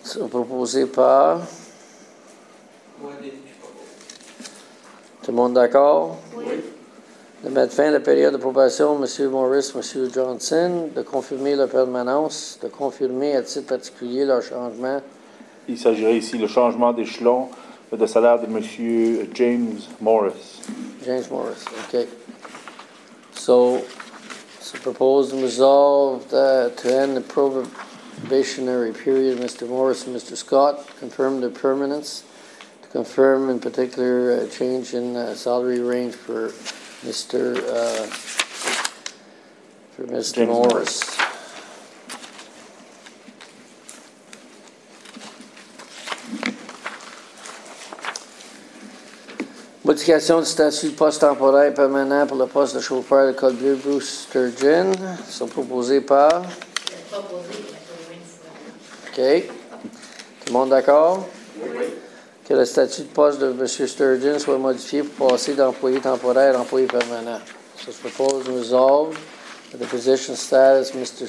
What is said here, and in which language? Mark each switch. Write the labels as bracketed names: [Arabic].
[French] Proposé par. Tout le monde d'accord? Oui. De mettre fin à la période de probation, M. Morris, M. Johnson, de confirmer leur permanence, de confirmer à titre particulier leur changement. Il s'agirait ici le changement d'échelon de salaire de M. James Morris. James Morris, OK. [English] So, so proposed and resolved to end the probationary period, Mr. Morris and Mr. Scott, confirm their permanence, to confirm in particular a change in salary range for Mr. Morris. [French] Modification du statut de poste temporaire et permanent pour le poste de chauffeur de Col Bleu Bruce Sturgeon sont proposés par. OK. Tout le monde d'accord? Oui. Que le statut de poste de M. Sturgeon soit modifié pour passer d'employé temporaire à employé permanent. [English] So, it's proposed and resolved that the position status of Mr.